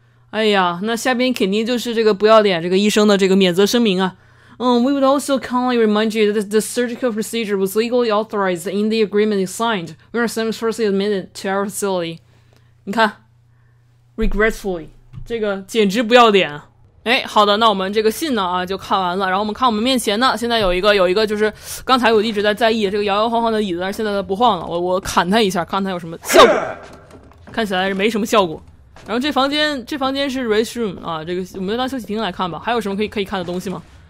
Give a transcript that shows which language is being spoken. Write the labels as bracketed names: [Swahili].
[Chinese] 哎呀，那下边肯定就是这个不要脸这个医生的这个免责声明啊。 [English] We would also kindly remind you that the surgical procedure was legally authorized in the agreement signed when our son was firstly admitted to our facility. [Chinese] 你看 ，regretfully， 这个简直不要脸。哎，好的，那我们这个信呢啊就看完了。然后我们看我们面前呢，现在有一个就是刚才我一直在意这个摇摇晃晃的椅子，但是现在它不晃了，我砍它一下，看它有什么效果。看起来是没什么效果。然后这房间是 restroom 啊，这个我们就当休息厅来看吧。还有什么可以看的东西吗？